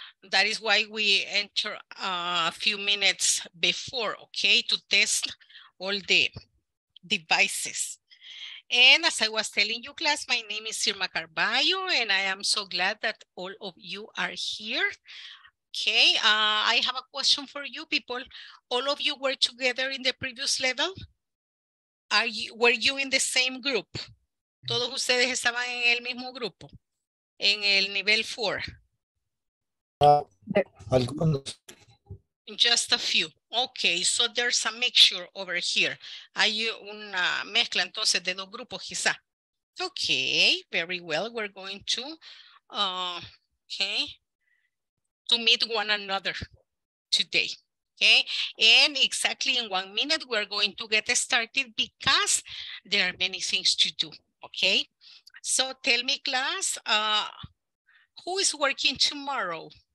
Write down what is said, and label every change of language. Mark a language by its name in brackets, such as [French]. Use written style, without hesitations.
[English] That is why we enter a few minutes before, okay, to test all the devices. And as I was telling you, class, my name is Irma Carballo, and I am so glad that all of you are here. Okay, I have a question for you people. All of you were together in the previous level. Were you in the same group? [Spanish] Todos ustedes estaban en el mismo grupo, en el nivel 4. Algunos. [English] Just a few. Okay, so there's a mixture over here. [Spanish] Hay una mezcla entonces de dos grupos quizá. [English] Okay, very well. We're going to, to meet one another today. Okay, and exactly in 1 minute, we're going to get started because there are many things to do, okay? So tell me, class, who is working tomorrow?